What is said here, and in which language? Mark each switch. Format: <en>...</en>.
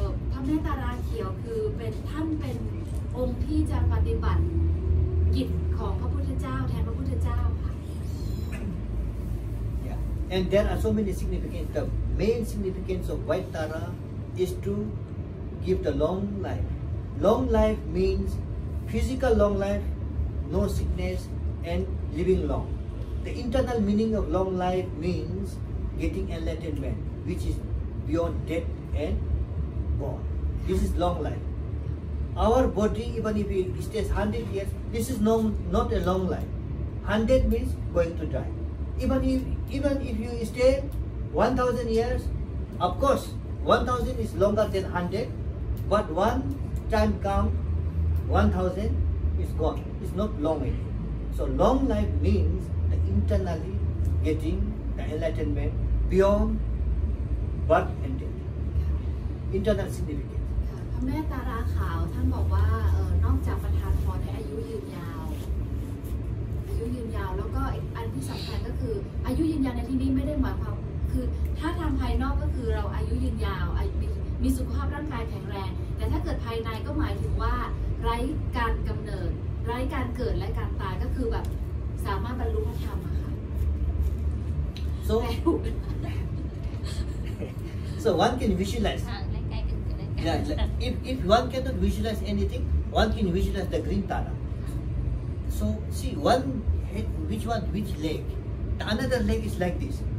<th>พระแม่ตาราเขียวคือเป็นองค์ที่จะปฏิบัติกิจของพระพุทธเจ้าแทนพระพุทธเจ้าค่ะ</th> <en>Yeah, and there are so many significance. The main significance of white tara is to give the long life. Long life means physical long life, no sickness, and living long. The internal meaning of long life means getting enlightenment, which is beyond death and born. This is long life. Our body, even if it stays 100 years, this is not a long life. 100 means going to die. Even if you stay 1,000 years, of course, 1,000 is longer than 100, but one,time come 1,000 is gone it's not long anymore so long life means the internally getting the enlightenment beyond birth and death internal significance</en> <th>พระแม่ตาราขาวท่านบอกว่านอกจากประทานพรให้อายุยืนยาวแล้วก็อันที่สำคัญก็คืออายุยืนยาวในที่นี้ไม่ได้หมายความ คือถ้าทางภายนอกก็คือเราอายุยืนยาวมีสุขภาพร่างกายแข็งแรงแต่ถ้าเกิดภายในก็หมายถึงว่าไร้การกำเนิดไร้การเกิดและการตายก็คือแบบสามารถบรรลุธรรมอะค่ะ</th> <en>so so one can visualize yeah, if one cannot visualize anything one can visualize the green tana so see one head, which one which leg the another leg is like this</en>